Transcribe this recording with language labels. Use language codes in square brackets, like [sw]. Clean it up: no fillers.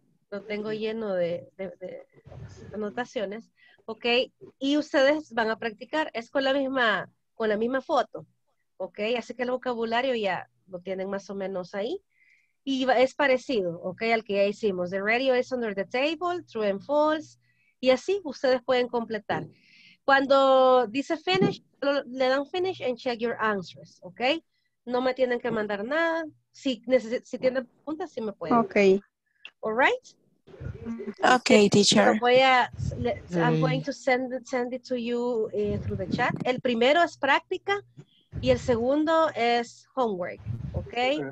[es] Lo tengo lleno de anotaciones, ¿ok? Y ustedes van a practicar. Es con la misma foto, ¿ok? Así que el vocabulario ya lo tienen más o menos ahí. Y es parecido, ok, al que ya hicimos. [en] The radio is under the table, true and false. [es] Y así ustedes pueden completar. Cuando dice finish, le dan finish [en] and check your answers, [es] ok. No me tienen que mandar nada. Si tienen preguntas, sí me pueden. Ok. [en] All right? Ok, teacher. I'm going to send it to you through the chat. [es] El primero es práctica y el segundo es homework, ok.